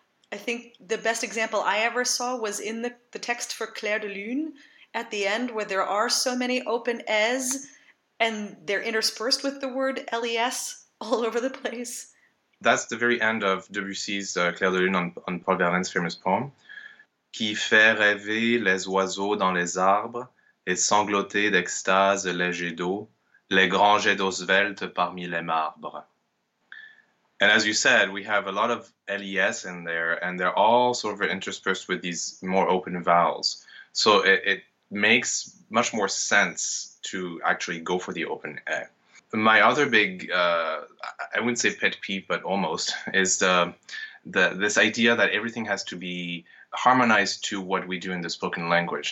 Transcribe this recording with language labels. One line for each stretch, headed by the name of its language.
English: I think the best example I ever saw was in the text for Claire de Lune at the end, where there are so many open es and they're interspersed with the word les all over the place. That's the very end of Debussy's Claire de Lune on Paul Verlaine's famous poem.
French: Qui fait rêver les oiseaux dans les arbres et sangloter d'extase les jets d'eau, les grands jets d'eau sveltes parmi les marbres.
English: And as you said, we have a lot of LES in there, and they're all sort of interspersed with these more open vowels. So it makes much more sense to actually go for the open E. My other big, I wouldn't say pet peeve, but almost, is this idea that everything has to be harmonized to what we do in the spoken language.